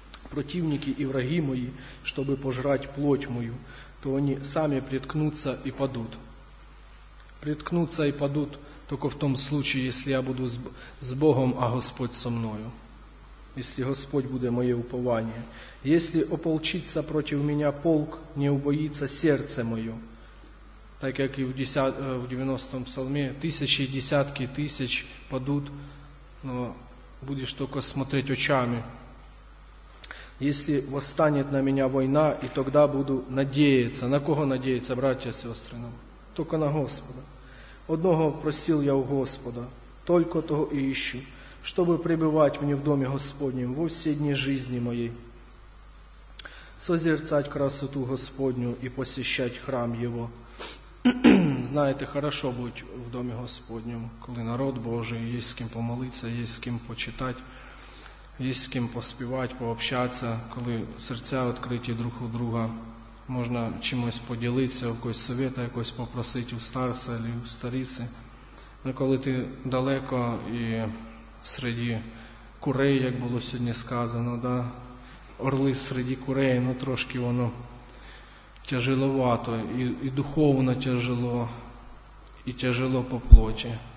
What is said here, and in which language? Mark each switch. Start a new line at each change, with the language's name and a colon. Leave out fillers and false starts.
Russian: Противники и враги мои, чтобы пожрать плоть мою, то они сами приткнутся и падут. Приткнутся и падут только в том случае, если я буду с Богом, а Господь со мною. Если Господь будет мое упование. Если ополчится против меня полк, не убоится сердце мое.
Ukrainian: так як і в 90-му псалмі, тисячі, десятки тисяч падуть, але будеш тільки смотреть очами.
Russian: Если восстанет на меня война, и тогда буду надеяться. На кого надеяться, братья и сестры? Только на Господа. Одного просил я у Господа, только того и ищу, чтобы пребывать мне в доме Господнем во все дни жизни моей. Созерцать красоту Господню и посещать храм Его. Знаете, хорошо будет в доме Господнем, когда народ Божий, есть с кем помолиться, есть с кем почитать.
Ukrainian: Є з ким поспівати, пообщатися, коли серця відкриті друг у друга, можна чимось поділитися, якогось совєта, якось попросити у старця або у старіці. Але коли ти далеко і серед курей, як було сьогодні сказано, да, орли серед курей, ну трошки воно тяжеловато, і духовно тяжело, і тяжело по плоті.